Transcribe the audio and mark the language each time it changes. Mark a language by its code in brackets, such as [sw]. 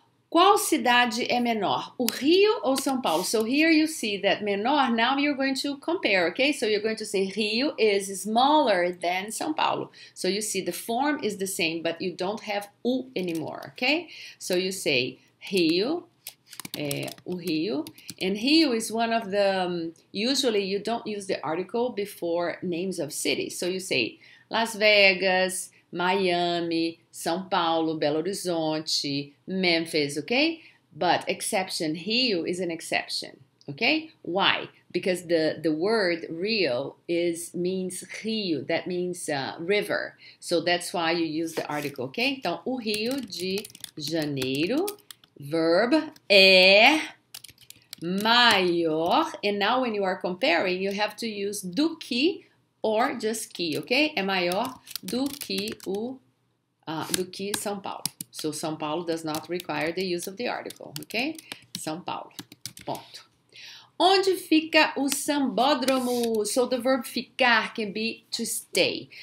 [pt] Qual cidade é menor, o Rio ou São Paulo? [en] So here you see that menor, now you're going to compare, okay? So you're going to say Rio is smaller than São Paulo. So you see the form is the same, but you don't have o anymore, okay? So you say Rio, o Rio. And Rio is one of the, usually you don't use the article before names of cities. So you say Las Vegas, Miami, São Paulo, Belo Horizonte, Memphis, okay? But exception, Rio is an exception, okay? Why? Because the word Rio is means Rio, that means river. So that's why you use the article, okay? [pt] Então, o Rio de Janeiro, verb é maior. [en] And now, when you are comparing, you have to use do que. Or just [pt] que, ok? É maior do que São Paulo. [en] So, São Paulo does not require the use of the article, ok? São Paulo. Ponto. [pt] Onde fica o sambódromo? [en] So, the verb ficar can be to stay.